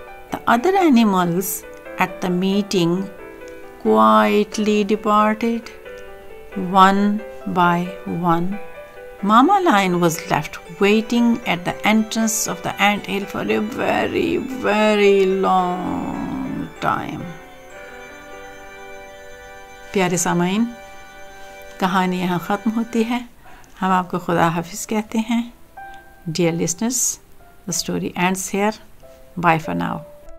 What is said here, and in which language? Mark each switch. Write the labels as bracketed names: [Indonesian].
[English] The other animals at the meeting quietly departed. One by one, Mama Lion was left waiting at the entrance of the ant hill for a very, very long time. [Hindi] प्यारे सामाइन, कहानी यहाँ ख़त्म होती है। हम आपको खुदा हाफिज़ कहते हैं। [English] Dear listeners, the story ends here. Bye for now.